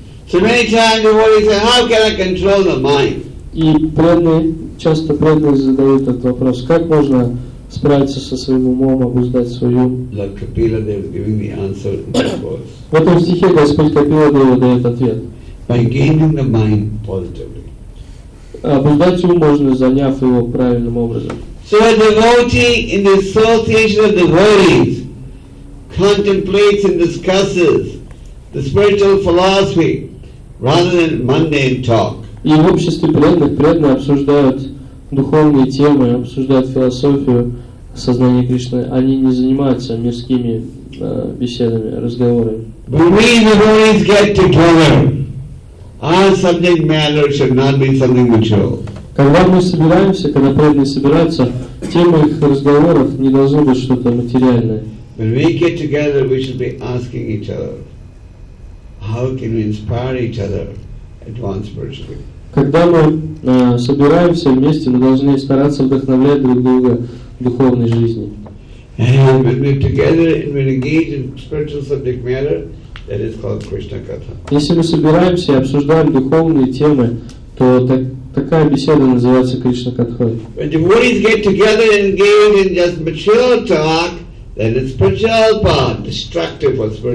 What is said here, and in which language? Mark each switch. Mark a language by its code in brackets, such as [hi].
[en] So many times devotees say, how can I control the mind? [ru] И часто преданные задают этот вопрос, как можно справиться со своим умом, обуздать свой ум? [en] Lord Kapila is giving the answer in this verse. [ru] В этом стихе Господь Капила дает ответ. [en] By gaining the mind positively. [ru] Обуздать ум можно, заняв его правильным образом. [en] So a devotee in the association of devotees contemplates and discusses the spiritual philosophy rather than mundane talk. [ru] И в обществе преданные обсуждают духовные темы, обсуждают философию сознания Кришны. Они не занимаются мирскими беседами, разговорами. [en] But we devotees get together. Our subject matter should not be something material. [ru] Когда мы собираемся, когда преданные собираются, тема их разговоров не должна быть что-то материальное. [en] When we get together, we should be asking each other. How can we inspire each other advance spiritually? [ru] Когда мы собираемся вместе, мы должны стараться вдохновлять друг друга в духовной жизни. [en] And when we're together and we're engaged in spiritual subject matter, that is called Krishna Katha. [ru] Если мы собираемся и обсуждаем духовные темы, то такая беседа называется Кришна Катха. [en] When devotees get together and engage in just material talk, then it's prajalpa, destructive for spiritual.